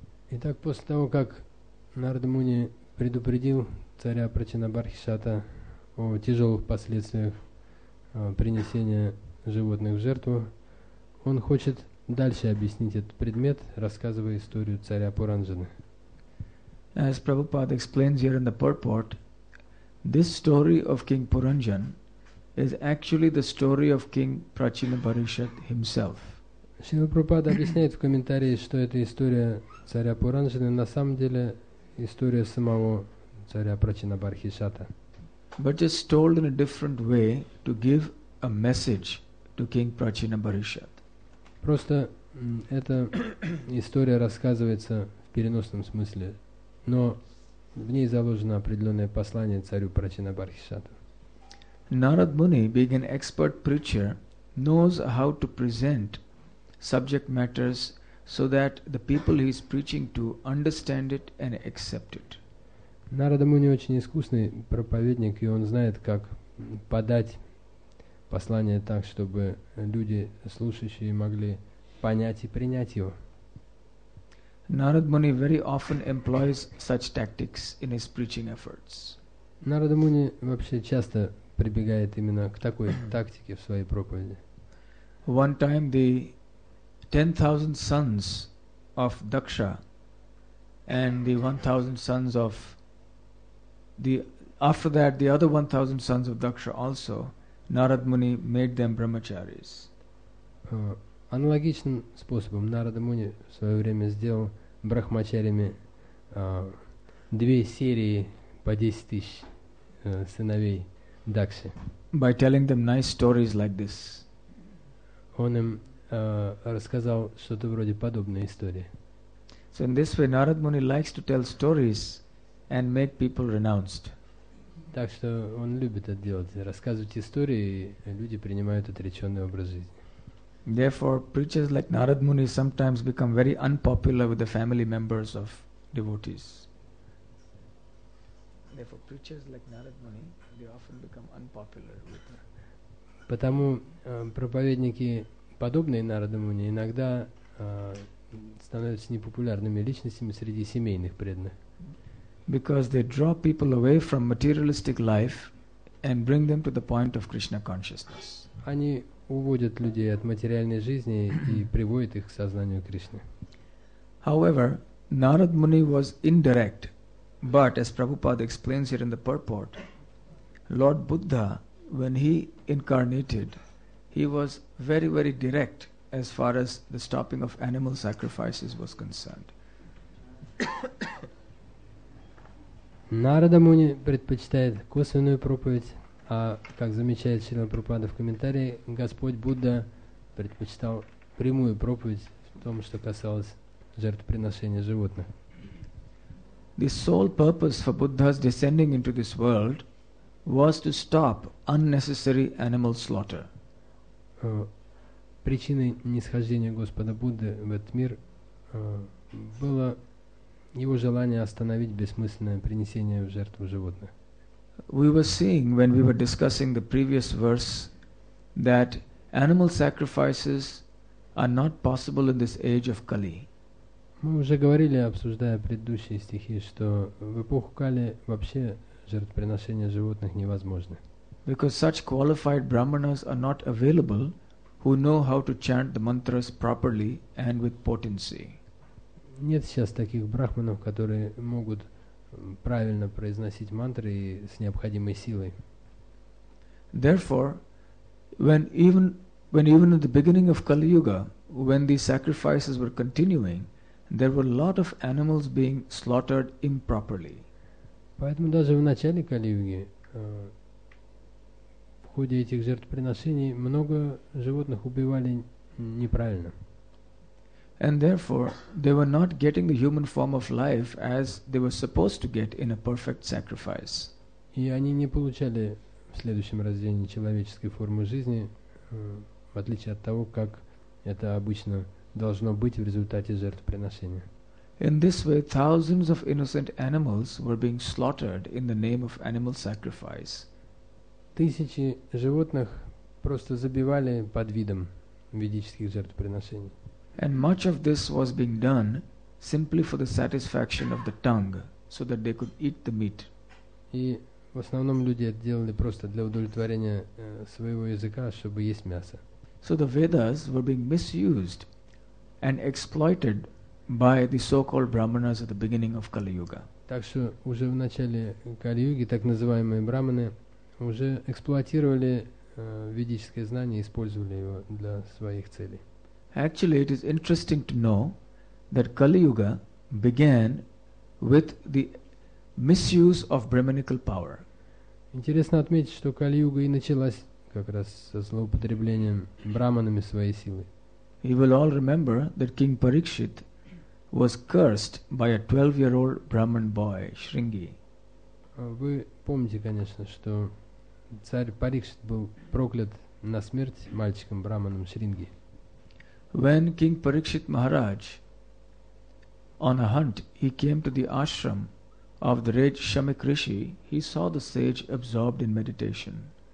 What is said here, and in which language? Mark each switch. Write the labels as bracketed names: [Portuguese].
[Russian] Итак, после того, как Narad Muni предупредил царя Прачина Бархишата о тяжелых последствиях принесения животных в жертву, он хочет дальше объяснить этот предмет, рассказывая историю царя Пуранджаны. [English] As Prabhupada explains here in the purport, this story of King Puranjan is actually the story of King Prachina Parishat himself. [Russian] Шрила Прабхупада объясняет в комментарии, что эта история царя Пуранджаны на самом деле история самого царя Прачина Бархишата. [English] But just told in a different way to give a message to King Prachina Parishat. [Russian] Просто эта история рассказывается в переносном смысле, но в ней заложено определенное послание царю Прачина Бархишата. [English] Narad Muni, being an expert preacher, knows how to present subject matters so that the people he is preaching to understand it and accept it. [Russian] Narad Muni очень искусный проповедник, и он знает, как подать послание так, чтобы люди, слушающие, могли понять и принять его. [English] Narad Muni very often employs such tactics in his preaching efforts. [Russian] Narad Muni вообще часто прибегает именно к такой тактике в своей проповеди. [English] One time the 10,000 sons of Daksha and the 1,000 sons of the after that the other 1,000 sons of Daksha also Narad Muni made them brahmacharis. [Russian] Аналогичным способом Narad Muni в свое время сделал брахмачарями две серии по 10,000 сыновей Дакши. [English] By telling them nice stories like this. [Russian] Он им рассказал что-то вроде подобной истории. [English] So in this way Narad Muni likes to tell stories and make people renounced. Так что он любит это делать, рассказывать истории, и люди принимают отреченный образ жизни. Therefore, preachers like Narad Muni sometimes become very unpopular with the family members of devotees. Therefore, preachers like Narad Muni, they often become unpopular with them. [Russian] Потому проповедники, подобные Narad Muni, иногда становятся непопулярными личностями среди семейных преданных. [English] Because they draw people away from materialistic life and bring them to the point of Krishna consciousness. [Russian] Они уводят людей от материальной жизни и приводят их к сознанию Кришны. [English] However, Narad Muni was indirect, but as Prabhupada explains here in the purport, Lord Buddha, when he incarnated, he was very, very direct as far as the stopping of animal sacrifices was concerned. [Russian] Narad Muni предпочитает косвенную проповедь, а, как замечает Шрила Прабхупада в комментарии, Господь Будда предпочитал прямую проповедь в том, что касалось жертвоприношения животных. [English] The sole purpose for Buddha's descending into this world was to stop unnecessary animal slaughter. [Russian] Причиной нисхождения Господа Будды в этот мир было его желание остановить бессмысленное принесение в жертву животных. [English] We were seeing when we were discussing the previous verse that animal sacrifices are not possible in this age of Kali. [Russian] Мы уже говорили, обсуждая предыдущие стихи, что в эпоху Кали вообще жертвоприношение животных невозможно. [English] Because such qualified brahmanas are not available who know how to chant the mantras properly and with potency. [Russian] Нет сейчас таких брахманов, которые могут правильно произносить мантры и с необходимой силой. [English] Therefore, when even when even at the beginning of Kali Yuga, when these sacrifices were continuing, there were a lot of animals being slaughtered improperly. [Russian] Поэтому даже в начале Кали-юги в ходе этих жертвоприношений много животных убивали неправильно. [English] And therefore, they were not getting the human form of life as they were supposed to get in a perfect sacrifice. [Russian] И они не получали в следующем рождении человеческой формы жизни, в отличие от того, как это обычно должно быть в результате жертвоприношения. [English] In this way, thousands of innocent animals were being slaughtered in the name of animal sacrifice. [Russian] Тысячи животных просто забивали под видом ведических жертвоприношений. [English] And much of this was being done simply for the satisfaction of the tongue, so that they could eat the meat. [Russian] И в основном люди это делали просто для удовлетворения своего языка, чтобы есть мясо. [English] So the Vedas were being misused and exploited by the so-called brahmanas at the beginning of Kali Yuga. [Russian] Так что уже в начале Кали-юги так называемые брахманы уже эксплуатировали ведическое знание, использовали его для своих целей. [English] Actually, it is interesting to know that Kali Yuga began with the misuse of brahmanical power. [Russian] Интересно отметить, что Кали-юга и началась как раз со злоупотреблением брахманами своей силы. [English] You will all remember that King Parikshit was cursed by a 12-year-old Brahmin boy, Shringi. [Russian] Вы помните, конечно, что царь Парикшит был проклят на смерть мальчиком брахманом Шринги. [English] When King Parikshit Maharaj, on a hunt, he came to the ashram of the rich Shamik Rishi, he saw the sage absorbed in meditation.